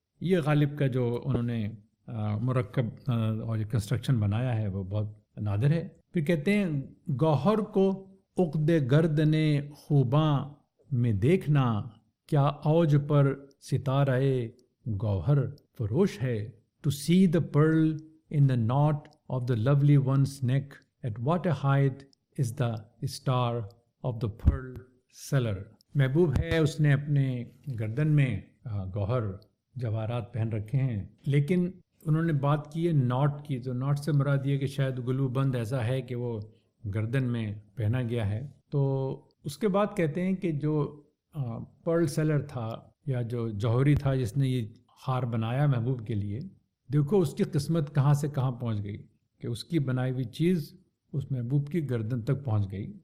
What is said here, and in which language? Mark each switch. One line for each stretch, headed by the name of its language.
Urdu: یہ غالب کا جو انہوں نے مرکب اور کنسٹرکشن بنایا ہے وہ بہت نادر ہے. پھر کہتے ہیں گوہر کو عقد گرد نے خوباں میں دیکھنا، کیا اوج پر ستارہ گوہر فروش ہے.
English: To see the pearl in the knot of the lovely one's neck, at what a height is the star of the pearl seller.
Urdu: محبوب ہے، اس نے اپنے گردن میں گوہر جواہرات پہن رکھے ہیں، لیکن انہوں نے بات کی ہے ناٹ کی، تو ناٹ سے مراد یہ کہ شاید گلو بند ایسا ہے کہ وہ گردن میں پہنا گیا ہے. تو اس کے بعد کہتے ہیں کہ جو پرل سیلر تھا یا جو جوہری تھا جس نے یہ ہار بنایا محبوب کے لیے، دیکھو اس کی قسمت کہاں سے کہاں پہنچ گئی کہ اس کی بنائی ہوئی چیز اس محبوب کی گردن تک پہنچ گئی.